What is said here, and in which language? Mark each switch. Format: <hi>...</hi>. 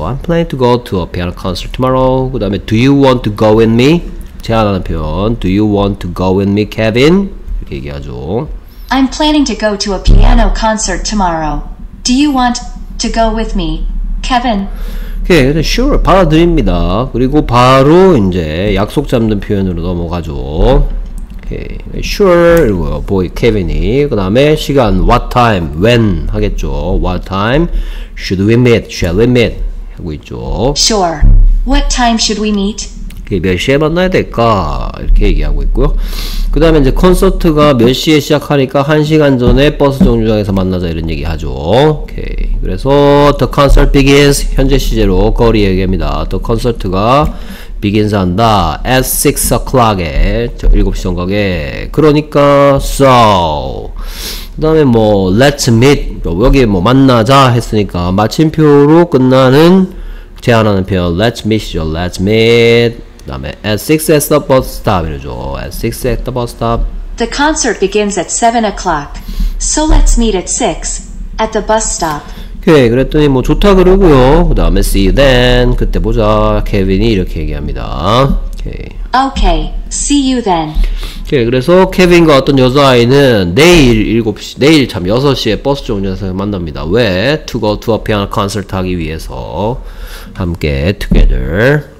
<en>I'm planning to go to a piano concert tomorrow. 그다음에 Do you want to go with me?</en> <ko>제안하는 표현.</ko> <en>Do you want to go with me, Kevin?</en> <ko>이렇게 얘기하죠.</ko> <en>I'm planning to go to a piano concert tomorrow. Do you want to go with me, Kevin?</en> <ko>네, okay, sure, 받아들입니다. 그리고 바로 이제 약속 잡는 표현으로 넘어가죠.</ko> <en>Okay, sure, 그리고 boy, Kevin이.</en> <ko>그 다음에 시간,</ko> <en>what time, when 하겠죠. What time should we meet, shall we meet?</en> <ko>하고 있죠.</ko> <en>Sure, what time should we meet?</en> <ko>몇 시에 만나야 될까? 이렇게 얘기하고 있고요. 그 다음에 이제 콘서트가 몇 시에 시작하니까 1시간 전에 버스 정류장에서 만나자 이런 얘기하죠. 오케이. 그래서</ko> <en>The concert begins.</en> <ko>현재 시제로 거리 얘기합니다.</ko> <en>The concert가 begins 한다. At 6 o'clock에</en> <ko>7시 정각에. 그러니까 So 그 다음에 뭐</ko> <en>Let's meet.</en> <ko>여기에 뭐 만나자 했으니까 마침표로 끝나는 제안하는 표현 Let's meet죠.</ko> <en>Let's meet.</en> <ko>그 다음에</ko> <en>At 6 at the bus stop 이러죠. At 6 at the bus stop. The concert begins at 7 o'clock. So let's meet at 6 at the bus stop.</en> <ko>오케이. 그랬더니 뭐 좋다 그러고요.</ko> <en>그 다음에 See you then.</en> <ko>그때 보자. 케빈이 이렇게 얘기합니다. 오케이.</ko> <en>Okay. See you then.</en> <ko>오케이. 그래서 케빈과 어떤 여자아이는 내일 7시, 내일 참 6시에 버스 정류장에서 만납니다.</ko> <en>왜? To go to a piano concert</en> <ko>하기 위해서 함께</ko> <en>together.</en>